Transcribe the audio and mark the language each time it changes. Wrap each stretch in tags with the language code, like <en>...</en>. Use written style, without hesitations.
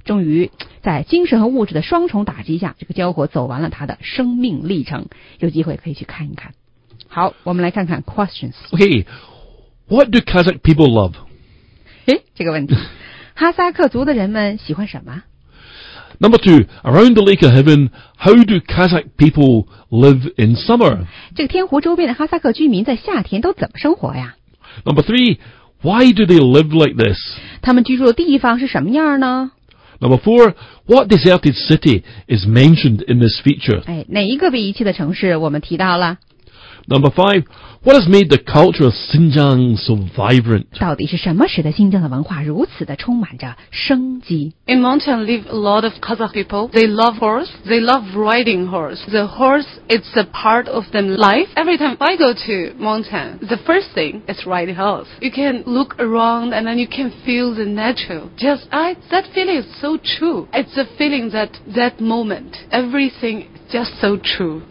<zh>终于在精神和物质的双重打击下，这个交河走完了它的生命历程，有机会可以去看一看。好，我们来看看 questions。</zh> <en>Okay, what do Kazakh people love?</en> <zh>这个问题哈萨克族的人们喜欢什么？</zh> <en>Number two, around the Lake of Heaven, how do Kazakh people live in summer?</en> <zh>这个天湖周边的哈萨克居民在夏天都怎么生活呀？</zh> <en>Number three, why do they live like this?</en> <zh>他们居住的地方是什么样呢？</zh> <en>Number four, what deserted city is mentioned in this feature?</en> <zh>哪一个被遗弃的城市我们提到了？</zh> <en>Number five, what has made the culture of Xinjiang so vibrant?</en> <zh>到底是什么使得新疆的文化如此的充满着生机？</zh> <en>In mountain live a lot of Kazakh people. They love horse. They love riding horse. The horse, it's a part of them life. Every time I go to mountain, the first thing is ride horse. You can look around and then you can feel the nature. Just, that feeling is so true. It's a feeling that moment, everything is just so true.</en>